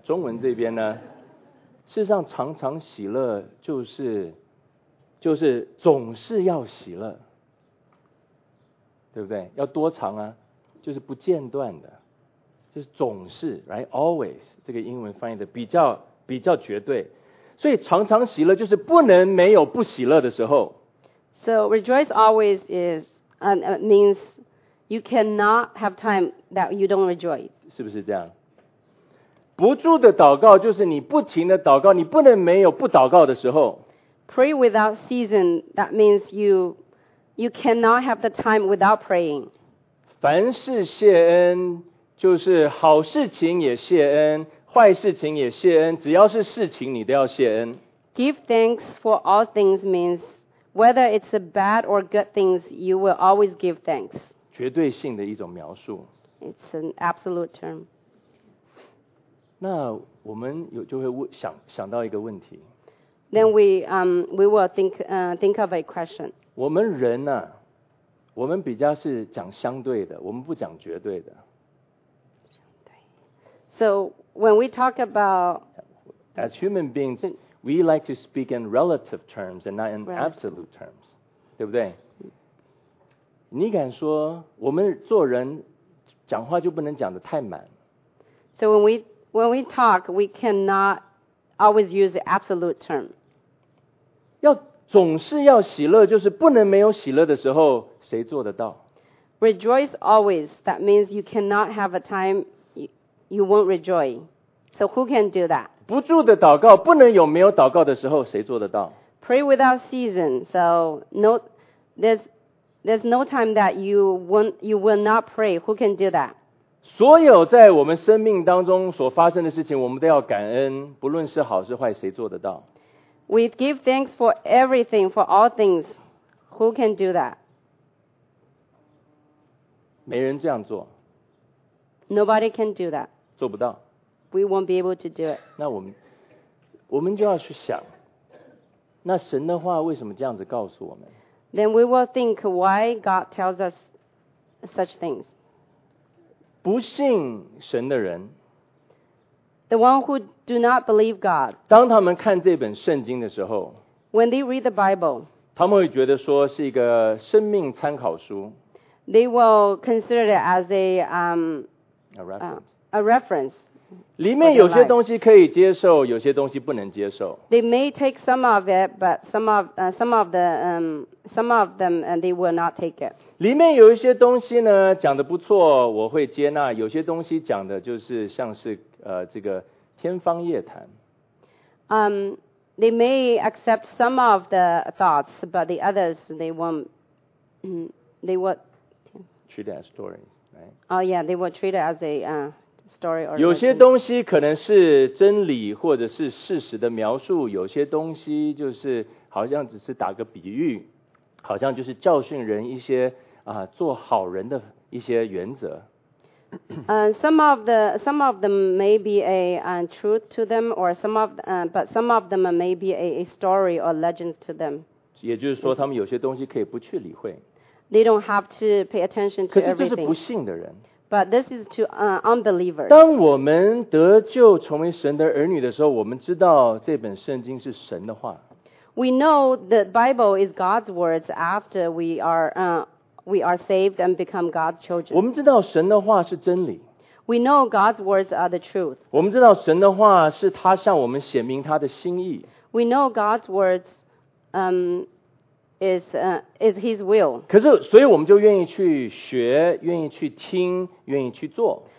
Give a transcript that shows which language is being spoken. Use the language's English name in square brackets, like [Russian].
[Chinese] 中文这边呢，事实上常常喜乐就是总是要喜乐，对不对？要多长啊？就是不间断的，就是总是 [English] right always [Chinese] 这个英文翻译的比较绝对。所以常常喜乐就是不能没有不喜乐的时候。 [English] So rejoice always is means you cannot have time that you don't rejoice. [Chinese] 是不是这样？不住的祷告就是你不停的祷告，你不能没有不祷告的时候。 [English] Pray without season, that means you cannot have the time without praying. [Chinese] 凡事谢恩，就是好事情也谢恩。坏事情也谢恩，只要是事情你都要谢恩。 [English] Give thanks for all things means whether it's a bad or good things, you will always give thanks. [Chinese] 绝对性的一种描述。 [English] It's an absolute term. [Chinese] 那我们就会想到一个问题。 [English] Then we will think of a question. [Chinese] 我们人呢，我们比较是讲相对的，我们不讲绝对的。 [English] So when we talk about... As human beings, we like to speak in relative terms and not in absolute terms. [Chinese] 对不对？你敢说我们做人讲话就不能讲得太满。 [English] So when we talk, we cannot always use the absolute term. [Chinese] 要总是要喜乐，就是不能没有喜乐的时候，谁做得到？ [English] Rejoice always, that means you cannot have a time... You won't rejoice. So who can do that? [Chinese] 不住的祷告，不能有没有祷告的时候，谁做得到？ [English] Pray without season. So no, there's no time that you will not pray. Who can do that? [Chinese] 所有在我们生命当中所发生的事情，我们都要感恩，不论是好是坏，谁做得到？ [English] We give thanks for everything, for all things. Who can do that? [Chinese] 没人这样做。 [English] Nobody can do that. [Chinese] 做不到。 [English] We won't be able to do it. [Chinese] 那我们就要去想，那神的话为什么这样子告诉我们？ [English] Then we will think why God tells us such things. [Chinese] 不信神的人。 [English] The one who do not believe God. [Chinese] 当他们看这本圣经的时候。 [English] When they read the Bible. [Chinese] 他们会觉得说是一个生命参考书。 [English] They will consider it as a reference. [Chinese] 里面有些东西可以接受，有些东西不能接受。 They may take some of it, but some of them, and they will not take it. 里面有一些东西呢，讲的不错，我会接纳；有些东西讲的就是像是这个天方夜谭。 [English] They may accept some of the thoughts, but the others, they won't. They would treat it as stories, right? Oh, yeah, they would treat it as a story or. [Chinese] 有些东西可能是真理或者是事实的描述，有些东西就是好像只是打个比喻，好像就是教训人一些啊做好人的一些原则。 [English] Some of them may be a truth to them, or some of but some of them may be a story or legend to them. [Chinese] 也就是说，他们有些东西可以不去理会。 [English] They don't have to pay attention to everything. [Chinese] 可是这是不信的人。 [English] But this is to unbelievers. [Chinese] 当我们得救成为神的儿女的时候，我们知道这本圣经是神的话。 [English] We know the Bible is God's words after we are. We are saved and become God's children. [Chinese] 我们知道神的话是真理。 [English] We know God's words are the truth. [Chinese] 我们知道神的话是他向我们显明他的心意。 [English] We know God's words, is His will. [Chinese] 可是，所以我们就愿意去学，愿意去听，愿意去做。